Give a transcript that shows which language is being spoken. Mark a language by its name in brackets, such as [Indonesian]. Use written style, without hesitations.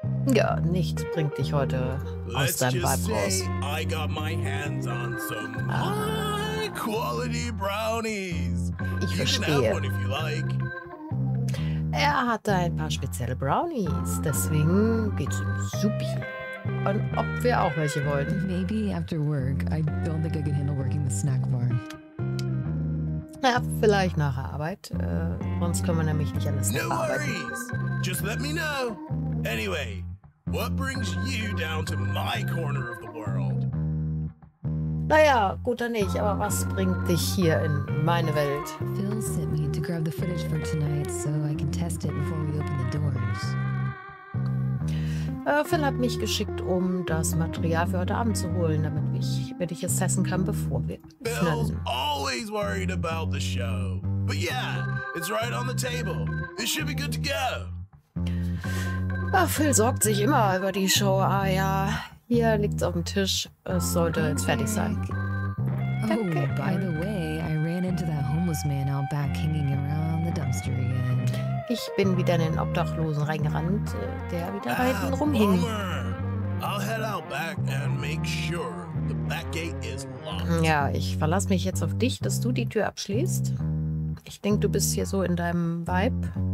[German] Ja, nichts bringt dich heute aus deinem Vibe raus. [English] Let's just say I got my hands on some high-quality brownies. [German] Ich verstehe. [English] You can have one if you like. [German] Er hatte ein paar spezielle Brownies, deswegen geht's ihm supi. Und ob wir auch welche wollen? [English] Maybe after work. I don't think I can handle working the snack bar. [German] Na, vielleicht nach der Arbeit. Sonst können wir nämlich nicht an das Snack arbeiten. [English] No worries. Just let me know. Anyway, what brings you down to my corner of the world? [German] Naja, guter nicht, aber was bringt dich hier in meine Welt? [English] Phil sent me to grab the footage for tonight, so I can test it before we open the doors. [German] Phil hat mich geschickt, um das Material für heute Abend zu holen, damit ich es testen kann, bevor wir öffnen. [English] Phil's always worried about the show. But yeah, it's right on the table. It should be good to go. [German] Ach, Phil sorgt sich immer über die Show. Ah ja, hier liegt's auf dem Tisch. Es sollte jetzt fertig sein. [English] Okay. Oh, by the way, I ran into that homeless man out back hanging around the dumpster again. [German] Ich bin wieder in den Obdachlosen reingerannt, der wieder da hinten rumhing. [English] I'll head out back and make sure the back gate is locked. [German] Ja, ich verlasse mich jetzt auf dich, dass du die Tür abschließt. Ich denke, du bist hier so in deinem Vibe.